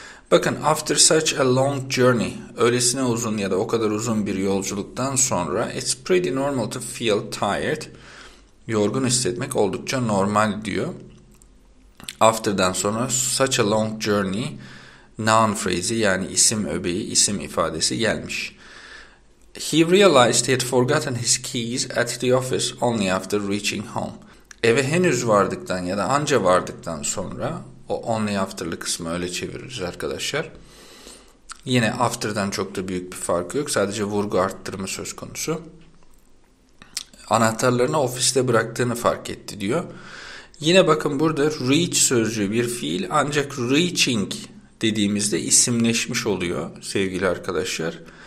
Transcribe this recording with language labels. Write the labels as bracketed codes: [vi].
[tr] Bakın [en] after such a long journey, [tr] öylesine uzun ya da o kadar uzun bir yolculuktan sonra [en] it's pretty normal to feel tired, [tr] yorgun hissetmek oldukça normal diyor. After'dan sonra such a long journey noun phrase'i yani isim öbeği, isim ifadesi gelmiş. [en] He realized he had forgotten his keys at the office only after reaching home. [tr] Eve henüz vardıktan ya da anca vardıktan sonra, o only after'lı kısmı öyle çeviririz arkadaşlar. Yine after'dan çok da büyük bir farkı yok. Sadece vurgu arttırma söz konusu. Anahtarlarını ofiste bıraktığını fark etti diyor. Yine bakın burada reach sözcüğü bir fiil ancak reaching dediğimizde isimleşmiş oluyor sevgili arkadaşlar.